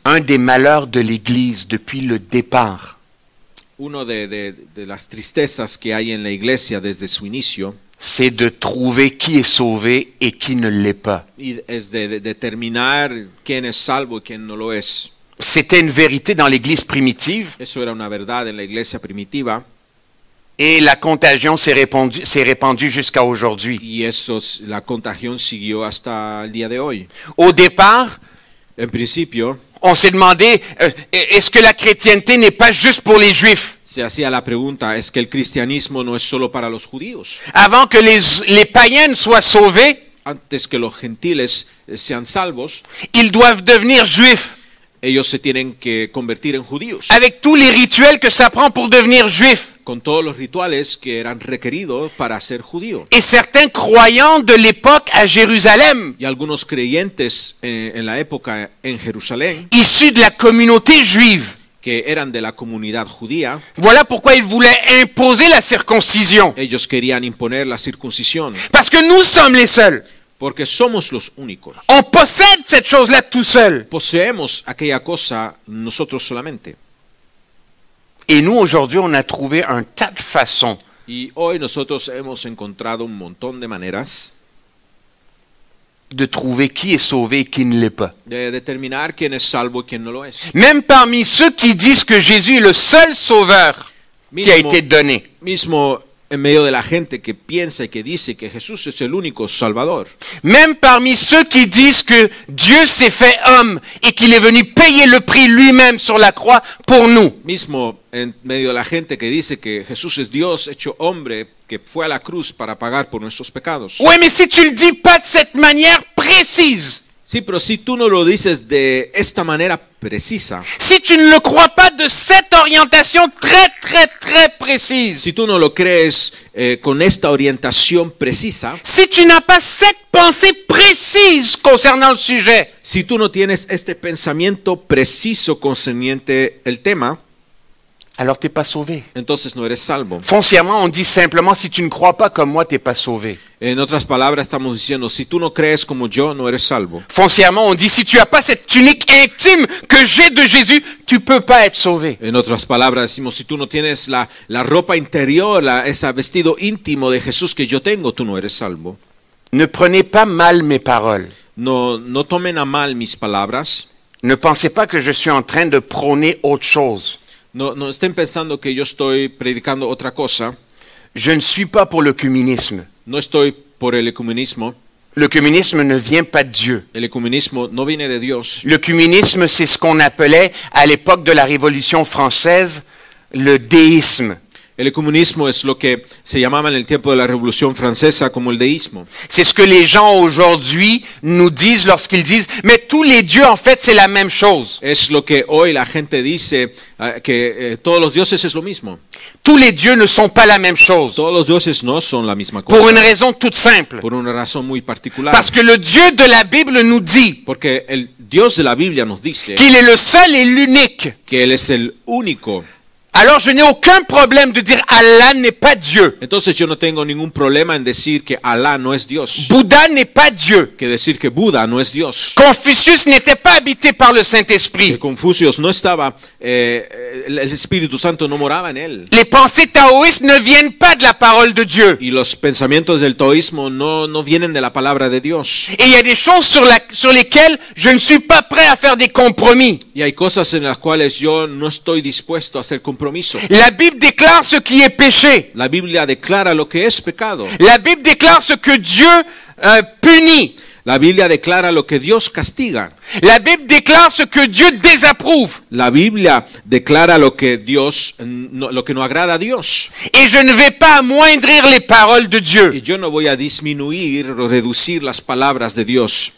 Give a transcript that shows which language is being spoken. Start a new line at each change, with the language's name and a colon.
French: Un des malheurs de l'Église depuis le départ.
Spanish: Uno de las tristezas que hay en la Iglesia desde su inicio.
French: C'est de trouver qui est sauvé et qui ne l'est pas.
Spanish: Y es de determinar quién es salvo y quién no lo es.
French: C'était une vérité dans l'Église primitive.
Spanish: Eso era una verdad en la Iglesia primitiva.
French: Et la contagion s'est répandue jusqu'à aujourd'hui.
Spanish: Y eso, la contagion siguió hasta el día de hoy.
French: Au départ,
Spanish: en principio,
French: on s'est demandé, est-ce que la chrétienté n'est pas juste pour les juifs?
Spanish: Se hacía la pregunta, ¿es que el cristianismo no es solo para los judíos?
French: Avant que les païens soient sauvés,
Spanish: antes que los gentiles sean salvos,
French: ils doivent devenir juifs.
Spanish: Ellos se tienen que convertir en judíos.
French: Avec tous les rituels que ça prend pour devenir juif.
Spanish: Con todos los rituales que eran requeridos para ser judío.
French: Et certains croyants de l'époque à Jérusalem.
Spanish: Y algunos creyentes en la época en Jerusalén.
French: Issus de la communauté juive.
Spanish: Que eran de la comunidad judía.
French: Voilà pourquoi ils voulaient imposer la circoncision.
Spanish: Ellos querían imponer la circuncisión.
French: Parce que nous sommes les seuls.
Spanish: Porque somos los únicos.
French: On possède cette chose-là tout seul.
Spanish: Poseemos aquella cosa nosotros solamente.
French: Et nous aujourd'hui, on a trouvé un tas de façons.
Spanish: Y hoy nosotros hemos encontrado un montón de maneras
French: de trouver qui est sauvé et qui ne l'est pas.
Spanish: De determinar quién es salvo y quién no lo es.
French: Même parmi ceux qui disent que Jésus est le seul sauveur qui a été donné.
Spanish: Mismo en medio de la gente que piensa y que dice que Jesús es el único salvador.
French: Même parmi ceux qui disent que Dieu s'est fait homme et qu'il est venu payer le prix lui-même sur la croix pour nous.
Spanish: Mismo en medio de la gente que dice que Jesús es Dios hecho hombre que fue a la cruz para pagar por nuestros pecados.
French: Ouais, mais si tu le dis pas de cette manière précise.
Spanish: Sí, pero si tú no lo dices de esta manera precisa.
French: Si tu ne le crois pas de cette orientation très très très précise.
Spanish: Si tú no lo crees con esta orientación precisa.
French: Si tu n'as pas cette pensée précise concernant le sujet.
Spanish: Si tú no tienes este pensamiento preciso concerniente el tema.
French: Alors t'es pas sauvé.
Spanish: Entonces no eres salvo.
French: Foncièrement, on dit simplement si tu ne crois pas comme moi, t'es pas sauvé.
Spanish: En otras palabras, estamos diciendo si tú no crees como yo, no eres salvo.
French: Foncièrement, on dit si tu as pas cette tunique intime que j'ai de Jésus, tu peux pas être sauvé.
Spanish: En otras palabras, decimos si tú no tienes la ropa interior, ese vestido íntimo de Jesús que yo tengo, tú no eres salvo.
French: Ne prenez pas mal mes paroles.
Spanish: No tomen a mal mis palabras.
French: Ne pensez pas que je suis en train de prôner autre chose.
Spanish: No estén pensando que yo estoy predicando otra cosa.
French: Je ne suis pas pour le communisme.
Spanish: No estoy por el ecumenismo.
French: Le communisme ne vient pas de Dieu.
Spanish: El ecumenismo no viene de Dios.
French: Le communisme, c'est ce qu'on appelait à l'époque de la Révolution française le déisme.
Spanish: El ecumenismo es lo que se llamaba en el tiempo de la Revolución Francesa como el deísmo.
French: C'est ce que les gens aujourd'hui nous disent lorsqu'ils disent mais tous les dieux en fait c'est la même chose.
Spanish: Es lo que hoy la gente dice que todos los dioses es lo mismo.
French: Tous les dieux ne sont pas la même chose.
Spanish: Todos los dioses no son la misma cosa.
French: Pour une raison toute simple.
Spanish: Por una razón muy particular.
French: Parce que le Dieu de la Bible nous dit.
Spanish: Porque el Dios de la Biblia nos dice.
French: Qu'il est le seul et l'unique.
Spanish: Que él es el único.
French: Alors je n'ai aucun problème de dire Allah n'est pas Dieu.
Spanish: Entonces yo no tengo ningún problema en decir que Alá no es Dios.
French: Buddha n'est pas Dieu.
Spanish: Que decir que Buda no es Dios.
French: Confucius n'était pas habité par le Saint-Esprit.
Spanish: Que Confucius no estaba el Espíritu Santo no moraba en él.
French: Les pensées taoïstes ne viennent pas de la parole de Dieu.
Spanish: Y los pensamientos del taoísmo no vienen de la palabra de Dios.
French: Et il y a des choses sur lesquelles je ne suis pas prêt à faire des compromis.
Spanish: Y hay cosas en las cuales yo no estoy dispuesto a hacer compromisos.
French: La Bible déclare ce qui est péché.
Spanish: La Biblia declara lo que es pecado.
French: La Bible déclare ce que Dieu punit.
Spanish: La Biblia declara lo que Dios castiga.
French: La Bible déclare ce que Dieu désapprouve.
Spanish: La Biblia declara lo que Dios lo que no agrada a Dios.
French: Et je ne vais pas amoindrir les paroles de Dieu.
Spanish: Y yo no voy a disminuir o reducir las palabras de Dios.